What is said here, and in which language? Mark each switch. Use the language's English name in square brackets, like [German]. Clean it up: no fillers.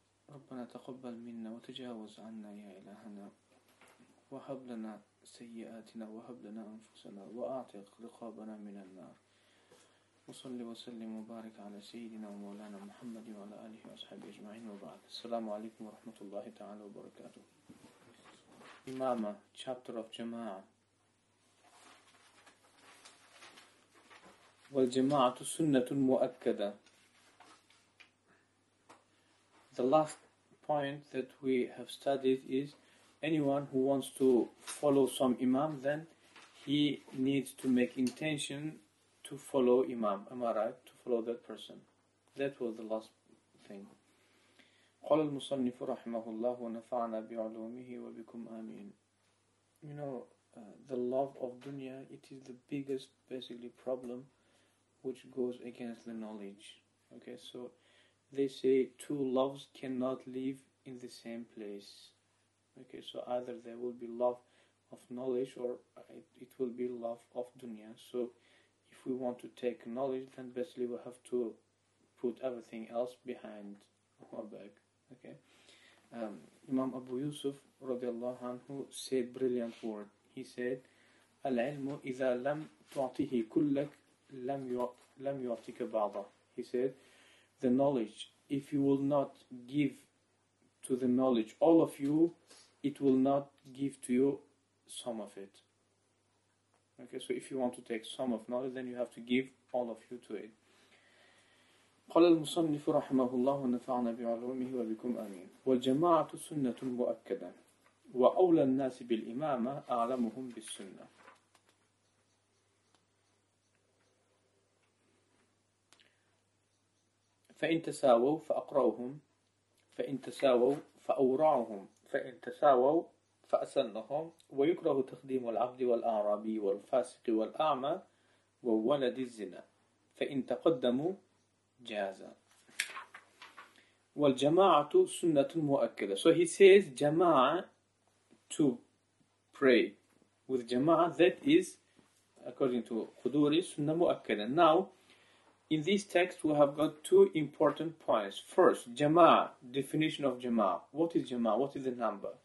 [Arabic] ربنا تقبل منا وتجاوز عنا يا إلهنا، وهب لنا سيئاتنا وهب لنا أنفسنا وأعتق رقابنا من النار. وصلي وسلم وبارك على سيدنا ومولانا محمد وعلى آله وأصحابه أجمعين، وبعد. السلام عليكم ورحمة الله تعالى وبركاته. إمامة، [English] chapter of [Arabic] جماعة. والجماعة سنة مؤكدة. [English] The last point that we have studied is anyone who wants to follow some imam, then he needs to make intention to follow imam, am I right? To follow that person. That was the last thing. [Arabic] قال المصنف رحمه الله ونفعنا بعلومه وبكم آمين. [English] You know, the love of dunya, it is the biggest basically problem which goes against the knowledge. Okay, so they say two loves cannot live in the same place. Okay, so either there will be love of knowledge or it will be love of dunya. So if we want to take knowledge, then basically we have to put everything else behind our back. Okay. Imam Abu Yusuf radiallahu anhu said brilliant word. [Arabic] He said, "Al-ilmu idha lam tu'tihi kullak lam yu'tika ba'dah." [English] He said, "The knowledge, if you will not give to the knowledge all of you, it will not give to you some of it." Okay, so if you want to take some of knowledge, then you have to give all of you to it. [Arabic] قال المصنف رحمه الله ونفعنا بعلومه وبكم آمين. والجماعة سنة مؤكدة وأولى الناس بالإمامة أعلمهم بالسنة. فإن تساووا فأقرأهم، فإن تساووا فأورعهم، فإن تساووا فأسنهم. ويكره تخديم العبد والأعرابي والفاسق والأعمى وولد الزنا، فإن تقدموا جاز. والجماعة سنة مؤكدة. [English] So he says جماعة to pray with جماعة, that is according to خدوري [Arabic] سنة مؤكدة. [English] Now in this text we have got two important points. First, جماعة, definition of جماعة. What is جماعة? What is the number?